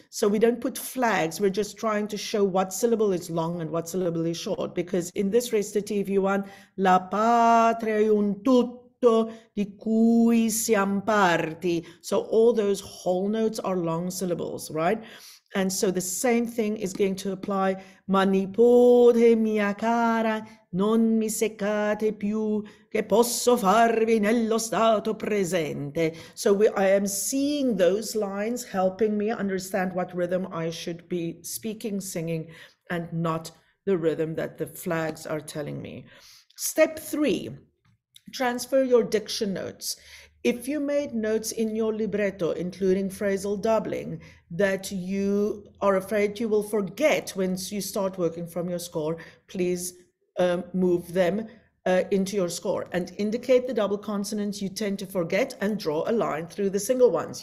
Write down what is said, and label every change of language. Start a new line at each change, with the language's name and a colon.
English: So we don't put flags. We're just trying to show what syllable is long and what syllable is short, because in this recitative, if you want
Italian: "la patria è un tutto di cui siamo parti,"
English: so all those whole notes are long syllables, right? And so the same thing is going to apply.
Italian: "Ma nipote mia cara, non mi seccate più che posso farvi nello stato presente."
English: So I am seeing those lines helping me understand what rhythm I should be speaking, singing, and not the rhythm that the flags are telling me. Step three, transfer your diction notes. If you made notes in your libretto, including phrasal doubling, that you are afraid you will forget once you start working from your score, please move them into your score and indicate the double consonants you tend to forget and draw a line through the single ones.